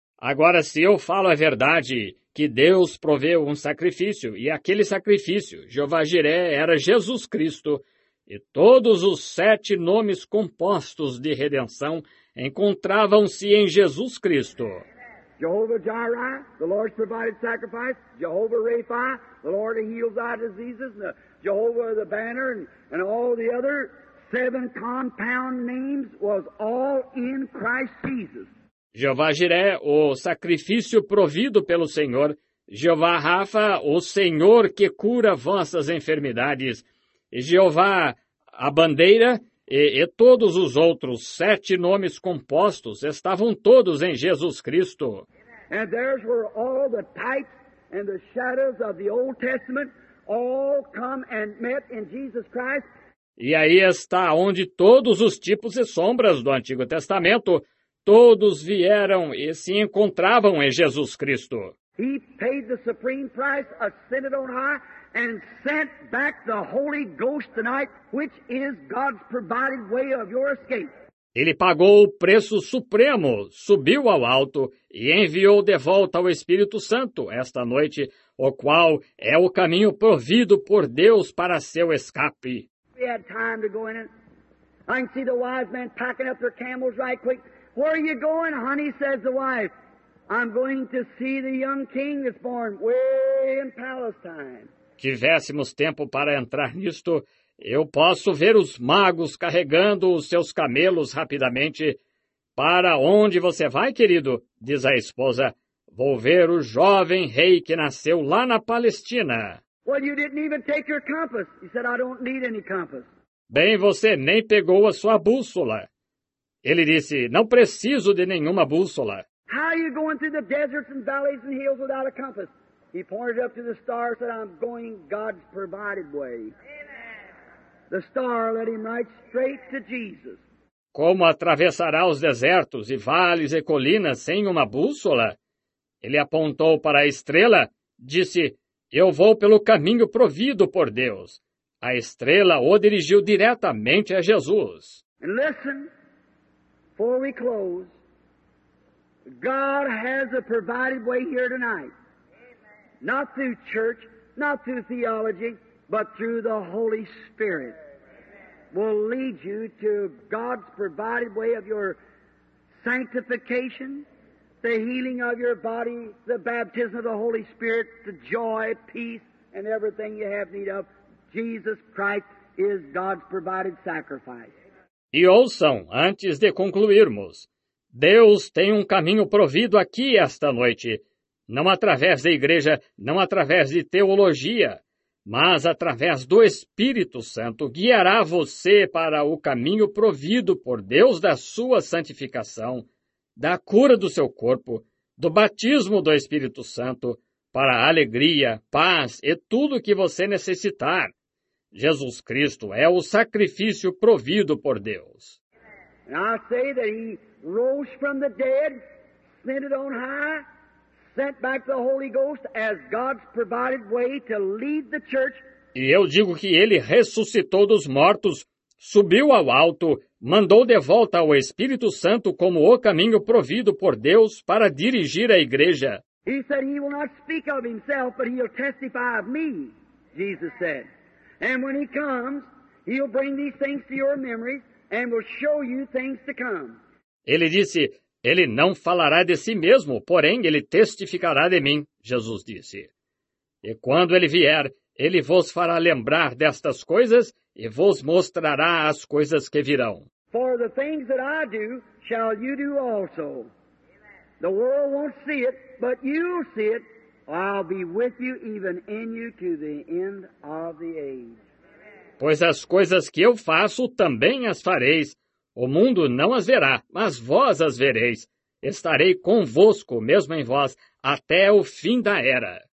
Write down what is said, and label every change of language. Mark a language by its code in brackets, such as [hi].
[pt] Agora, se eu falo a verdade, que Deus proveu um sacrifício, e aquele sacrifício, Jeová Jiré, era Jesus Cristo, e todos os sete nomes compostos de redenção encontravam-se em Jesus Cristo. [en] Jehovah Jireh, the Lord provided sacrifice. Jehovah Rapha, the Lord who heals our diseases. And Jehovah the Banner and all the other seven compound names was all in Christ Jesus. [pt] Jeová Jiré, o sacrifício provido pelo Senhor. Jeová Rapha, o Senhor que cura vossas enfermidades. Jeová, a bandeira, e todos os outros sete nomes compostos estavam todos em Jesus Cristo. [en] And there were all the types and the shadows of the Old Testament all come and met in Jesus Christ. [pt] E aí está onde todos os tipos e sombras do Antigo Testamento todos vieram e se encontravam em Jesus Cristo. [en] He paid the supreme price, ascended on high, and sent back the Holy Ghost tonight, which is God's provided way of your escape. [pt] Ele pagou o preço supremo, subiu ao alto e enviou de volta ao Espírito Santo esta noite, o qual é o caminho provido por Deus para seu escape. [en] We had time to go in it. I can see the wise men packing up their camels right quick. Where are you going, honey? Says the wife. I'm going to see the young king that's born way in Palestine. [pt] Tivéssemos tempo para entrar nisto, eu posso ver os magos carregando os seus camelos rapidamente. Para onde você vai, querido? Diz a esposa. Vou ver o jovem rei que nasceu lá na Palestina. [en] Well, you didn't even take your compass. You said, I don't need any compass. [pt] Bem, você nem pegou a sua bússola. Ele disse, não preciso de nenhuma bússola. [en] How are you going through the deserts and valleys and hills without a compass? He pointed up to the stars and said, I'm going God's provided way. Amen. The star led him right straight to Jesus. [pt] Como atravessará os desertos e vales e colinas sem uma bússola? Ele apontou para a estrela, disse, eu vou pelo caminho provido por Deus. A estrela o dirigiu diretamente a Jesus. [en] And listen, before we close, God has a provided way here tonight. Amen. Not through church, not through theology, but through the Holy Spirit. Amen. Will lead you to God's provided way of your sanctification, the healing of your body, the baptism of the Holy Spirit, the joy, peace, and everything you have need of. Jesus Christ is God's provided sacrifice. [pt] E ouçam, antes de concluirmos, Deus tem um caminho provido aqui esta noite, não através da igreja, não através de teologia, mas através do Espírito Santo guiará você para o caminho provido por Deus da sua santificação, da cura do seu corpo, do batismo do Espírito Santo, para a alegria, paz e tudo o que você necessitar. Jesus Cristo é o sacrifício provido por Deus. [en] And I say that he rose from the dead, ascended on high, sent back the Holy Ghost as God's provided way to lead the church. [pt] E eu digo que ele ressuscitou dos mortos, subiu ao alto, mandou de volta ao Espírito Santo como o caminho provido por Deus para dirigir a igreja. [en] He said he will not speak of himself, but he'll testify of me, Jesus said. And when he comes, he'll bring these things to your memory and will show you things to come. [pt] Ele disse, ele não falará de si mesmo, porém ele testificará de mim, Jesus disse. E quando ele vier, ele vos fará lembrar destas coisas e vos mostrará as coisas que virão. [en] For the things that I do, shall you do also. The world won't see it, but you'll see it. I'll be with you, even in you, to the end of the age. [pt] Pois as coisas que eu faço, também as fareis. O mundo não as verá, mas vós as vereis. Estarei convosco, mesmo em vós, até o fim da era.